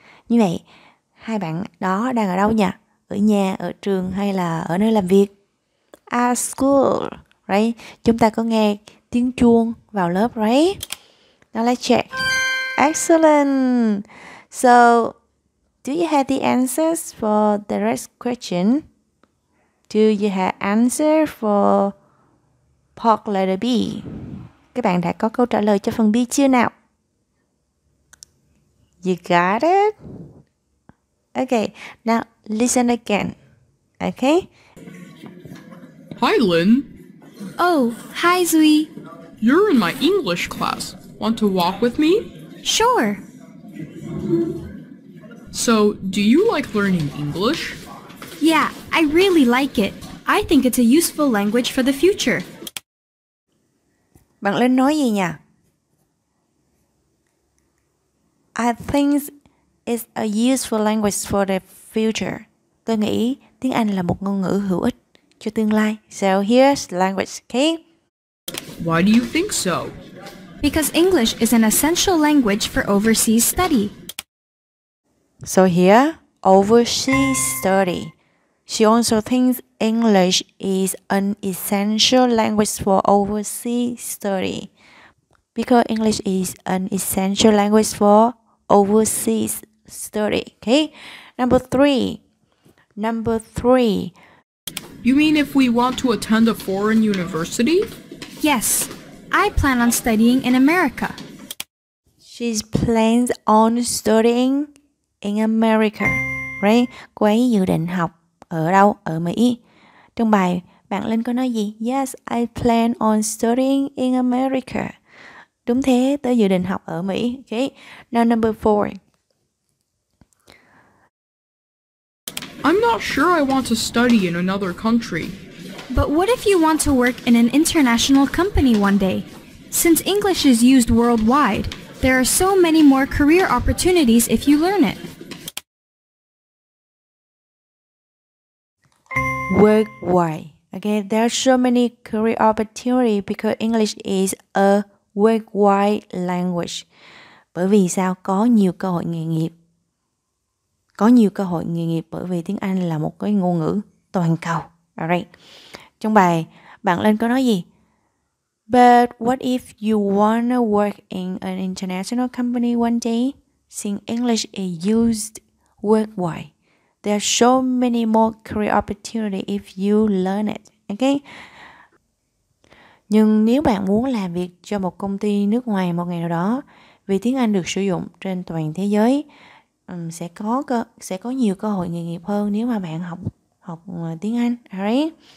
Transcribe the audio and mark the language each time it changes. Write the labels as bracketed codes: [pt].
[vi] Như vậy, hai bạn đó đang ở đâu nhỉ? Ở nhà, ở trường hay là ở nơi làm việc? [en] At school, right? [vi] Chúng ta có nghe tiếng chuông vào lớp, right? [en] Now let's check. Excellent! So, do you have the answers for the next question? Do you have answer for part letter B? [vi] Các bạn đã có câu trả lời cho phần B chưa nào? [en] You got it? Okay, now listen again, okay? Hi, Lynn. Oh, hi, Zui. You're in my English class. Want to walk with me? Sure. So, do you like learning English? Yeah, I really like it. I think it's a useful language for the future. [vi] Bạn Lynn nói gì nhỉ? [en] I think it's a useful language for the future. [vi] Tôi nghĩ tiếng Anh là một ngôn ngữ hữu ích cho tương lai. [en] So, here's language, okay? Why do you think so? Because English is an essential language for overseas study. So here, overseas study. She also thinks English is an essential language for overseas study. Because English is an essential language for overseas study. Okay? Number three. You mean if we want to attend a foreign university? Yes. I plan on studying in America. She plans on studying in America, right? [vi] Cô ấy dự định học ở đâu? Ở Mỹ. Trong bài, bạn Linh có nói gì? [en] Yes, I plan on studying in America. [vi] Đúng thế, tôi dự định học ở Mỹ. [en] Okay. Now number four. I'm not sure I want to study in another country. But what if you want to work in an international company one day? Since English is used worldwide, there are so many more career opportunities if you learn it. Work why? Okay, there are so many career opportunities because English is a worldwide language. [vi] Bởi vì sao? Có nhiều cơ hội nghề nghiệp. Có nhiều cơ hội nghề nghiệp bởi vì tiếng Anh là một cái ngôn ngữ toàn cầu. Alright. Trong bài, bạn Linh có nói gì? [en] But what if you wanna work in an international company one day? Since English is used worldwide, there are so many more career opportunities if you learn it. Okay? [vi] Nhưng nếu bạn muốn làm việc cho một công ty nước ngoài một ngày nào đó, vì tiếng Anh được sử dụng trên toàn thế giới, sẽ có nhiều cơ hội nghề nghiệp hơn nếu mà bạn học tiếng Anh. Alright?